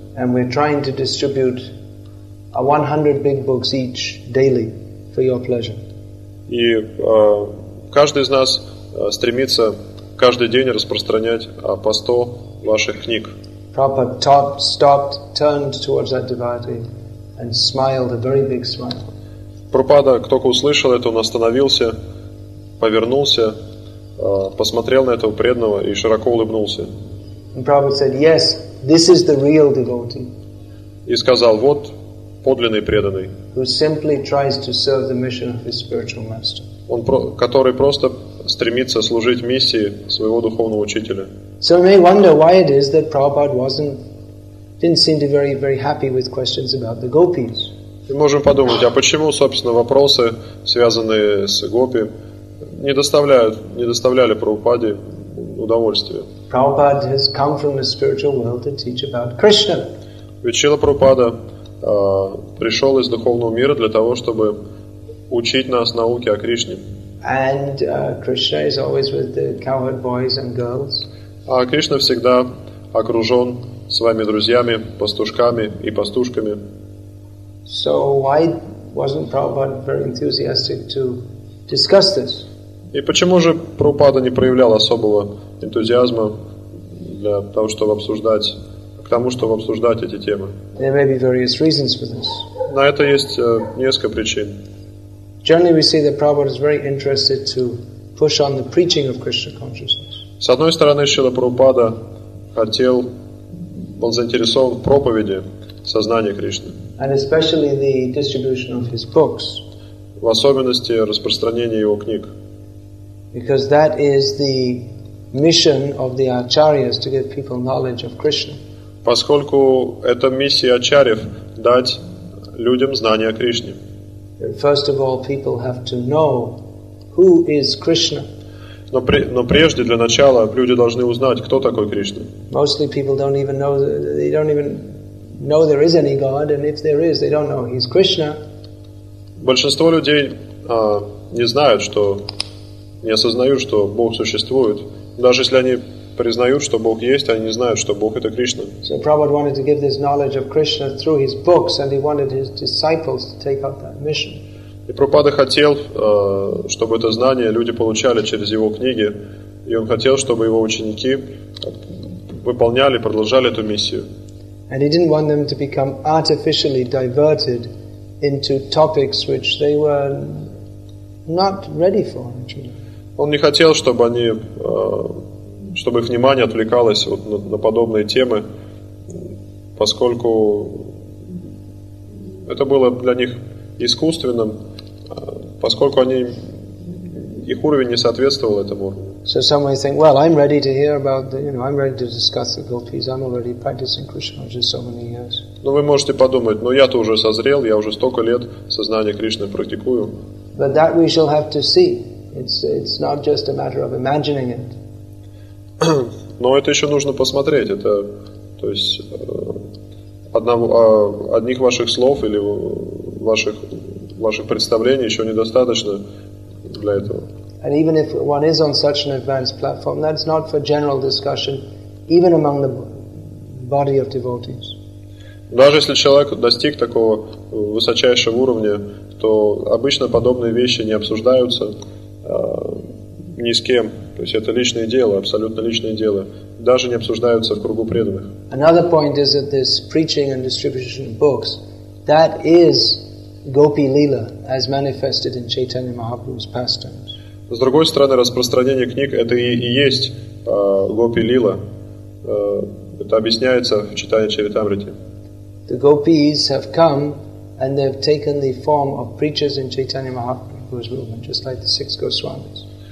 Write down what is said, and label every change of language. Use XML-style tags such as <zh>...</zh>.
<en>And we're trying to distribute 100 big books each daily for your pleasure.</en> <ru>И каждый из нас стремится каждый день распространять по 100 ваших книг.</ru> <en>Prabhupada stopped, turned towards that devotee and smiled a very big smile.</en> <ru>Прабхупада, кто-то услышал это, он остановился, повернулся, посмотрел на этого преданного и широко улыбнулся.</ru> <en>And Prabhupada said, yes, this is the real devotee.</en> <ru>И сказал, вот подлинный преданный.</ru> <en>Who simply tries to serve the mission of his spiritual master.</en> <ru>Он, который просто стремится служить миссии своего духовного учителя.</ru> <en>So we may wonder why it is that Prabhupada didn't seem to be very, very happy with questions about the gopis.</en> <ru>Мы можем подумать, а почему, собственно, вопросы, связанные с гопи, не доставляли Прабхупаде удовольствия?</ru> <en>Prabhupada has come from the spiritual world to teach about Krishna.</en> <ru>Ведь Шрила Прабхупада пришел из духовного мира для того, чтобы учить нас науке о Кришне.</ru> <en>And Krishna is always with the cowherd boys and girls.</en> <ru>А Кришна всегда окружен своими друзьями, пастушками и пастушками.</ru> <en>So why wasn't Prabhupada very enthusiastic to discuss this?</en> <ru>И почему же Прабхупада не проявлял особого энтузиазма для того, чтобы обсуждать, к тому, чтобы обсуждать эти темы?</ru> <en>There may be various reasons for this.</en> <ru>На это есть несколько причин.</ru> <en>Generally, we see that Prabhupada is very interested to push on the preaching of Krishna consciousness.</en> <ru>С одной стороны, Шрила Прабхупада хотел, был заинтересован в проповеди сознания Кришны.</ru> <en>And especially the distribution of his books.</en> <ru>В особенности распространение его книг.</ru> <en>Because that is the mission of the acharyas to give people knowledge of Krishna.</en> <ru>Поскольку это миссия ачарьев дать людям знания о Кришне.</ru> <en>First of all, people have to know who is Krishna.</en> <ru>Но прежде для начала люди должны узнать, кто такой Кришна.</ru> <en>Mostly people don't even know. They don't even know there is any God, and if there is, they don't know he's Krishna.</en> <ru>Большинство людей не знают, что не осознают, что Бог существует. Даже если они признают, что Бог есть, они не знают, что Бог это Кришна.</ru> <en>So Prabhupada wanted to give this knowledge of Krishna through his books, and he wanted his disciples to take up that mission.</en> <ru>И Прабхупада хотел, чтобы это знание люди получали через его книги, и он хотел, чтобы его ученики выполняли, продолжали эту миссию.</ru> <en>And he didn't want them to become artificially diverted into topics which they were not ready for, actually.</en> <ru>Он не хотел, чтобы они, чтобы их внимание отвлекалось вот на подобные темы, поскольку это было для них искусственным, поскольку они, их уровень не соответствовал этому.</ru> <en>So some may think, well, I'm ready to hear about the, you know, I'm ready to discuss the gopis. I'm already practicing Krishna for so many years.</en> <ru>Но вы можете подумать, но я-то уже созрел, я уже столько лет сознание Кришны практикую.</ru> <en>But that we shall have to see. It's not just a matter of imagining it.</en> <ru>Но это еще нужно посмотреть. Это, то есть, одних ваших слов или ваших представлений еще недостаточно для этого.</ru> <en>And even if one is on such an advanced platform, that's not for general discussion, even among the body of devotees.</en> <ru>Даже если человек достиг такого высочайшего уровня, то обычно подобные вещи не обсуждаются ни с кем. То есть это личное дело, абсолютно личное дело. Даже не обсуждаются в кругу преданных.</ru> <en>Another point is that this preaching and distribution of books, that is Gopi Lila, as manifested in Chaitanya Mahaprabhu's pastimes.</en> <ru>С другой стороны, распространение книг – это и есть гопи-лила. Это объясняется в читании Чаритамриты.</ru> <en>The gopis have come and they've taken the form of preachers in Chaitanya Mahaprabhu's movement, just like the six Goswamis.</en>